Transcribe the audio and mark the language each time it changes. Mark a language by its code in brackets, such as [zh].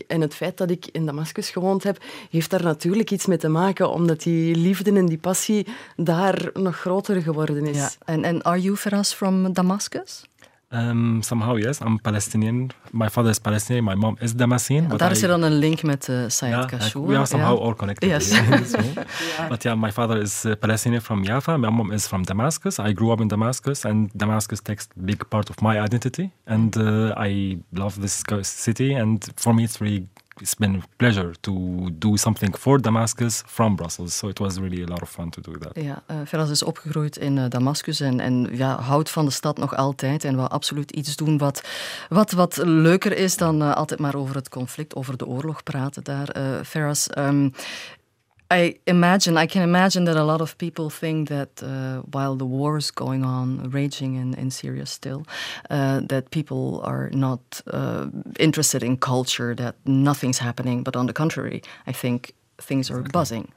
[nl] En het feit dat ik in Damascus gewoond heb, heeft daar natuurlijk iets mee te maken, omdat die liefde en die passie daar nog groter geworden is. En [en] are you for us from Damascus? Somehow, yes. I'm Palestinian. My father is Palestinian. My mom is Damascene. [nl] Ja, daar is er dan een link met Sayed Kashoua. [en] We are somehow all connected. Yes. But yeah, my father is Palestinian from Jaffa. My mom is from Damascus. I grew up in Damascus and Damascus takes a big part of my identity. And I love this city and for me it's been a pleasure to do something for Damascus from Brussels. So it was really a lot of fun to do that. [nl] Ja, Feras is opgegroeid in Damascus en houdt van de stad nog altijd. En wil absoluut iets doen wat leuker is dan altijd maar over het conflict, over de oorlog praten daar. Feras, [en] I can imagine that a lot of people think that while the war is going on, raging in Syria still, that people are not interested in culture, that nothing's happening. But on the contrary, I think things are buzzing.